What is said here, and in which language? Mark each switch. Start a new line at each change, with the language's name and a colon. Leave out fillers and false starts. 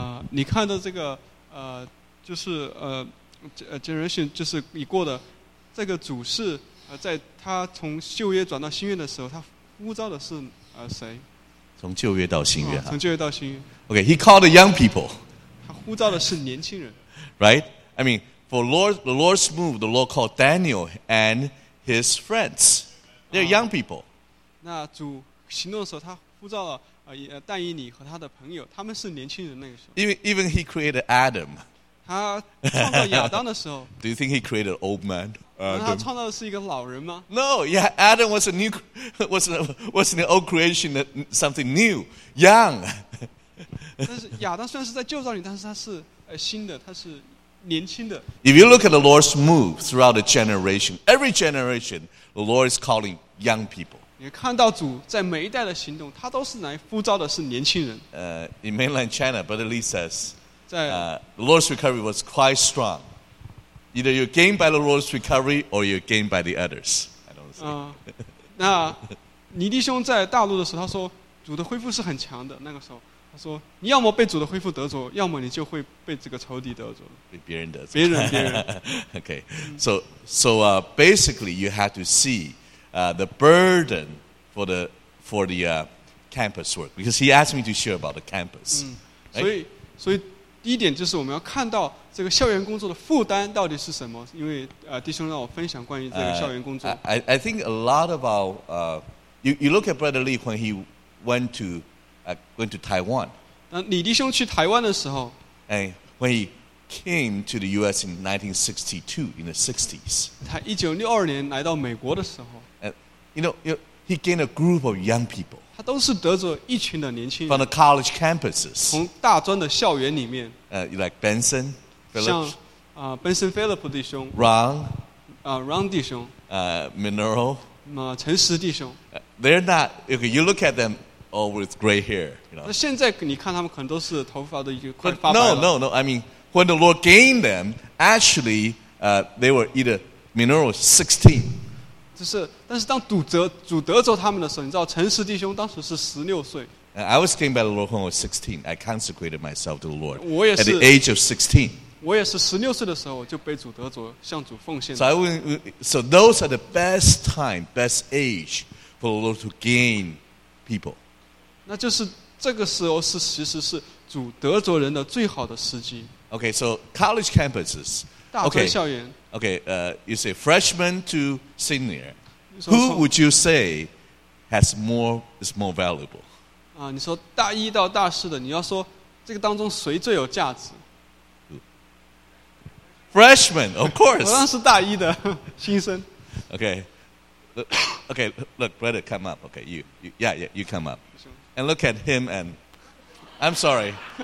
Chinese: 你看到这个就是generation 就是已过的这个主是在他从旧约转到新约的时候，他呼召的是谁？从旧约到新约。从旧约到新约。
English: Okay, he called the young people.
Chinese: 他呼召的是年轻人。
English: Right? I mean. For the Lord's move, the Lord called Daniel and his friends. They're young people.
Chinese: 那主行动的时候，他呼召了但以理和他的朋友，他们是年轻人那个时候。
English: Even he created Adam.
Chinese: 他创造亚当的时候。
English: Do you think he created an old man?
Chinese: 他创造的是一个老人吗
English: ？No. Yeah, Adam was a new was an old creation, something new, young.
Chinese: 但是亚当虽然是在旧造里，但是他是新的，他是。
English: If you look at the Lord's move throughout the generation, every generation, the Lord is calling young people.
Chinese: 你看到主在每一代的行动，他都是来呼召的是年轻人。
English: In mainland China, Brother Lee says,
Chinese: 在
English: the Lord's recovery was quite strong. Either you're gained by the Lord's recovery or you're gained by the others. I don't see.
Chinese: 那倪弟兄在大陆的时候，他说主的恢复是很强的。那个时候。他说：“你要么被主的恢复得着，要么你就会被这个仇敌得着，被别人得着。别人。
English: Okay, so basically, you have to see the burden for the campus work because he asked me to share about the campus.、 Right?
Chinese: 所以第一点就是我们要看到这个校园工作的负担到底是什么，因为弟兄让我分享关于这个校园工作。
English: I think a lot of our you look at Brother Lee when he went to. Went to Taiwan.
Chinese: 当李弟兄去台湾的时候
English: ，And when he came to the U.S. in 1962, in the 60s.
Chinese: 他一九六二年来到美国的时候
English: ，And you know, he gained a group of young people.
Chinese: 他都是得着一群的年轻人。
English: From the college campuses.
Chinese: 从大专的校园里面。
English: Like Benson, Philip.
Chinese: 像Benson Philip 弟兄。
English: Ron.
Chinese: Ron 弟兄。
English: Mineral.
Chinese: 陈实弟兄。
English: They're not. Okay, you look at them. All with gray hair. You know?
Chinese: 那现在你看他们可能都是头发都已经快发白
English: 了。No. I mean, when the Lord gained them, actually, they were either mineral 16.
Chinese: 就是，但是当主得着他们的时候，你知道陈实弟兄当时是十六岁。
English: I was gained by the Lord when I was 16. I consecrated myself to the Lord.
Chinese: 我也是。
English: At the age of 16.
Chinese: 我也是十六岁的时候就被主得着，向主奉献。
English: So those are the best time, best age for the Lord to gain people.
Chinese: 那就是这个时候是其实是主得着人的最好的时机。
English: Okay, so college campuses, Okay, you say freshman to senior. Who would you say has more, is more valuable?
Chinese: 你说大一到大四的，你要说这个当中谁最有价值？
English: Freshman, of course.
Chinese: 我当时大一的新生。
English: Okay, look, brother, come up. Okay, you come up. And look at him and... I'm sorry.